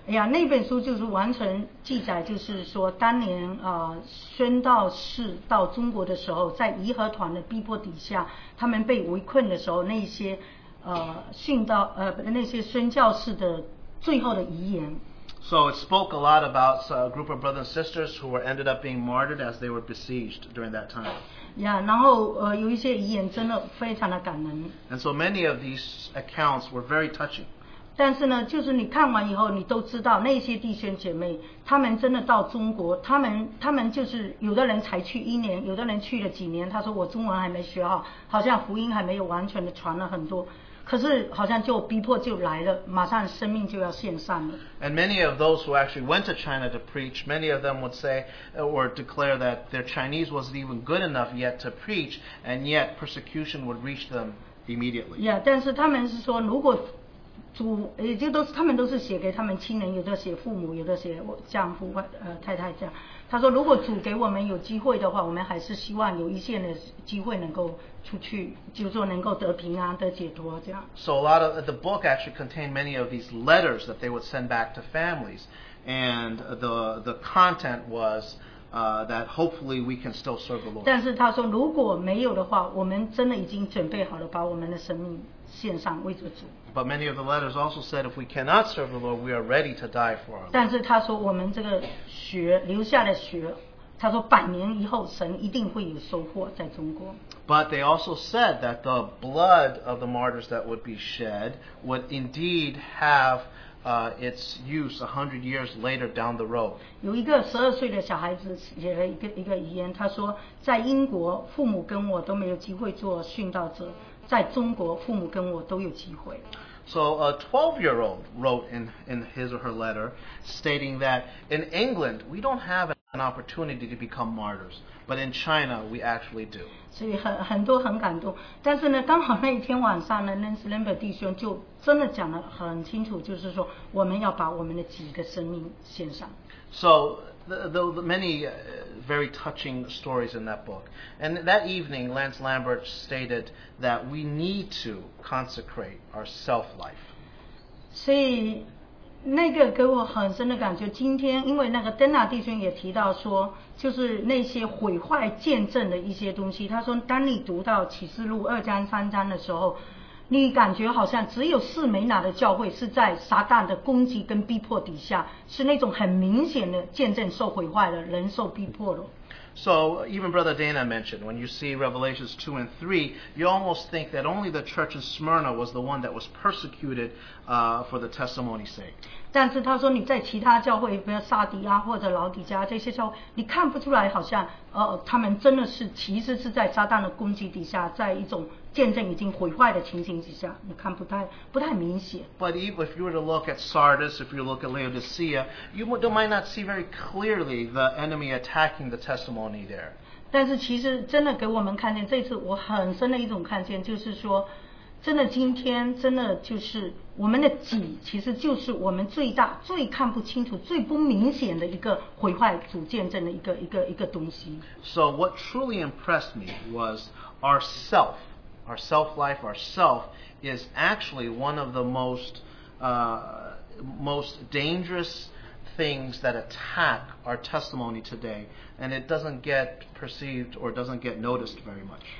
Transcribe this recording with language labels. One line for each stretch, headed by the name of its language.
Chinese: Yeah, 那本书就是完全记载，就是说当年宣道士到中国的时候，在义和团的逼迫底下，他们被围困的时候，那些宣教士的最后的遗言。
English: So it spoke a lot about a group of brothers and sisters who were ended up being martyred as they were besieged during that time.
Chinese: Yeah, 然后有一些遗言真的非常的感人。
English: And so many of these accounts were very touching.
Chinese: 但是呢，就是你看完以后，你都知道那些弟兄姐妹，他们真的到中国，他们就是有的人才去一年，有的人去了几年，他说我中文还没学好，好像福音还没有完全的传了很多，可是好像就逼迫就来了，马上生命就要献上了。
English: And many of those who actually went to China to preach, many of them would say or declare that their Chinese wasn't even good enough yet to preach, and yet persecution would reach them immediately.
Chinese: Yeah, 但是他们是说如果主也就都是他们都是写给他们亲人，有的写父母，有的写丈夫太太这样。他说如果主给我们有机会的话，我们还是希望有一线的机会能够出去，就是说能够得平安得解脱这样。
English: So a lot of the book actually contained many of these letters that they would send back to families, and the content was that hopefully we can still serve the Lord.
Chinese: 但是他说如果没有的话，我们真的已经准备好了把我们的生命献上为着主。
English: But many of the letters also said if we cannot serve the Lord, we are ready to die for our Lord.
Chinese: 但是他说我们这个血流下的血，他说百年以后神一定会有收获在中国。
English: But they also said that the blood of the martyrs that would be shed would indeed have its use 100 years later down the road.
Chinese: 有一个十二岁的小孩子写了一个遗言，他说在英国父母跟我都没有机会做殉道者。在中国父母跟我都有机会。
English: So a 12-year-old wrote in his or her letter stating that in England we don't have an opportunity to become martyrs, but in China we actually do.
Chinese: 所以很多很感动，但是呢刚好那一天晚上呢 Lance Lambert 弟兄就真的讲得很清楚，就是说我们要把我们的几个生命献上。
English: So the many very touching stories in that book. And that evening, Lance Lambert stated that we need to consecrate our self-life.
Chinese: 所以那个给我很深的感觉，今天因为那个登纳弟兄也提到说，就是那些毁坏见证的一些东西，他说当你读到启示录二章三章的时候，你感觉好像只有士美拿的教会是在撒旦的攻击跟逼迫底下，是那种很明显的见证受毁坏了，人受逼迫了。
English: So even Brother Dana mentioned, when you see Revelations 2 and 3, you almost think that only the church in Smyrna was the one that was persecuted for the testimony's sake.
Chinese: 但是他说你在其他教会，比如撒迪亚或者老底加这些教会，你看不出来好像他们真的是其实是在撒旦的攻击底下，在一种见证已经毁坏的情形之下，你看不太明显。
English: But if you were to look at Sardis, if you look at Laodicea, you might not see very clearly the enemy attacking the testimony there.
Chinese: 但是其实真的给我们看见，这次我很深的一种看见，就是说，真的今天真的就是我们的己，其实就是我们最大、最看不清楚、最不明显的一个毁坏主见证的一个东西。
English: So what truly impressed me was ourself. Our self-life, our self, is actually one of the most dangerous things that attack our testimony today, and it doesn't get perceived or doesn't get noticed very much.